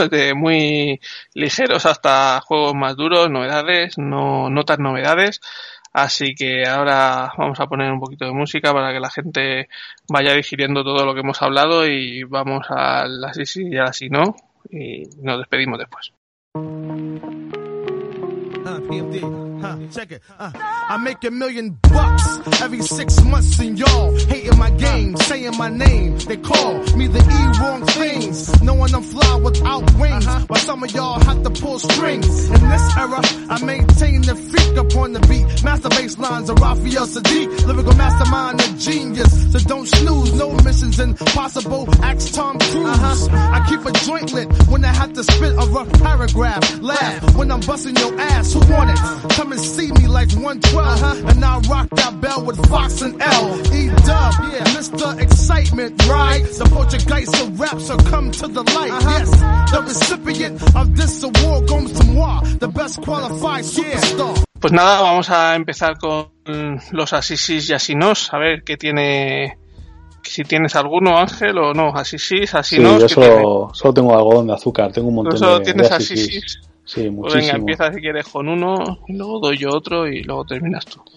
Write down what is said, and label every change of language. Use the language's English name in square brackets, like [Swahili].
[Spanish] Desde muy ligeros hasta juegos más duros, novedades, no tan novedades. Así que ahora vamos a poner un poquito de música para que la gente vaya digiriendo todo lo que hemos hablado y vamos al así sí y al así no. Y nos despedimos después. [English] I make a million bucks every 6 months and y'all hating my game, saying my name. They call me the E-Wrong Things, knowing I'm fly without wings, but some of y'all have to pull strings. In this era, I maintain the freak upon the beat. Master bass lines of Raphael Sadiq, lyrical mastermind and genius. So don't snooze, no missions impossible, ask Tom Cruise. I keep a joint lit when I have to spit a rough paragraph. Laugh when I'm busting your ass, who want it? Come and see me like 112, and I rock that bell with Fox and L. E-Dub, yeah. Mr. Excitement, right? The poltergeist of raps have come to the light. Yes, the recipient of this award comes to moi, the best qualified superstar. [Spanish] Pues nada, vamos a empezar con los así sí y así no, a ver qué tiene. Si tienes alguno, Ángel, o no, así sí, así no. Sí, yo solo tengo algodón de azúcar, tengo un montón. ¿Tú solo tienes así sí? Sí, muchísimo. Venga, empieza si quieres con uno, luego doy yo otro y luego terminas tú.